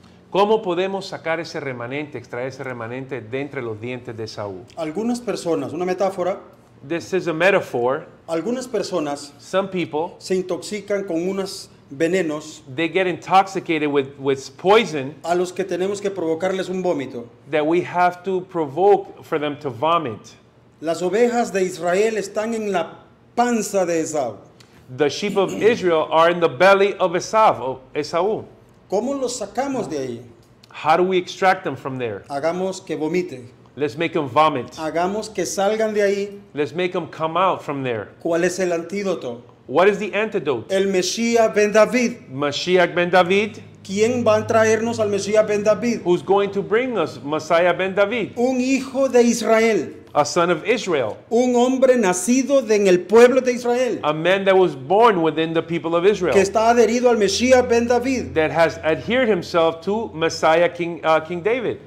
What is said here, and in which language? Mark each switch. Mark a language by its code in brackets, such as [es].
[es] ¿Cómo podemos sacar ese remanente, extraer ese remanente de entre los dientes de Esaú? Algunas personas, una metáfora. [en] This is a metaphor. [es] Algunas personas. [en] Some people. [es] Se intoxican con unos venenos. [en] They get intoxicated with poison. [es] A los que tenemos que provocarles un vómito. [en] That we have to provoke for them to vomit. [es] Las ovejas de Israel están en la panza de Esau. [en] The sheep of Israel are in the belly of Esau. [es] ¿Cómo los sacamos de ahí? [en] How do we extract them from there? [es] Hagamos que vomiten. [en] Let's make them vomit. [es] Hagamos que salgan de ahí. [en] Let's make them come out from there. [es] ¿Cuál es el antídoto? [en] What is the antidote? [es] El Mesías Ben David. [en] Mashiach Ben David. [es] ¿Quién va a traernos al Mesías Ben David? [en] Who's going to bring us Messiah Ben David? [es] Un hijo de Israel. [en] A son of Israel. [es] Un hombre nacido en el pueblo de Israel. [en] A man that was born within the people of Israel. [es] Que está adherido al Mesías Ben David. [en] That has adhered himself to Messiah King David.